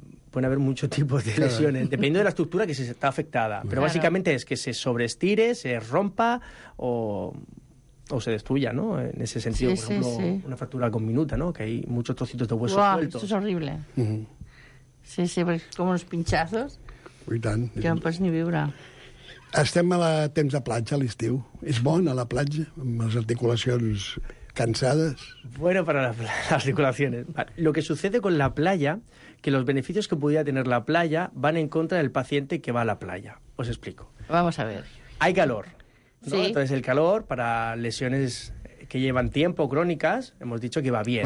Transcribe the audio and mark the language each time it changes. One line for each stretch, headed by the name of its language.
Spanish: Pueden haber muchos tipos de lesiones, claro. Dependiendo de la estructura que se está afectada. Pero claro. Básicamente es que se sobreestire, se rompa o... O se destruya, ¿no? En ese sentido, sí, por ejemplo, sí. Una fractura conminuta, ¿no? Que hay muchos trocitos de hueso sueltos. Esto es horrible. Uh-huh. Sí, pues como unos pinchazos.
Catalan: I tant. Que no pots ni viure. Estem a la temps de platja a l'estiu. És bon a la platja, amb les articulacions cansades?
Spanish: Bueno, para las articulaciones. Lo que sucede con la playa, que los beneficios que pudiera tener la playa van en contra del paciente que va a la playa. Os explico. Vamos a ver. Hay calor. ¿No? Sí. Entonces el calor para lesiones que llevan tiempo, crónicas, hemos dicho que va bien,